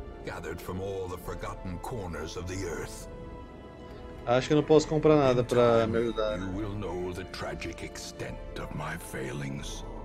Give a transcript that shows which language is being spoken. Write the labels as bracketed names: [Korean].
[English] Gathered from all the forgotten corners of the earth. [Portuguese] Acho que não posso comprar nada para me ajudar. [English] You will know the tragic extent of my failings.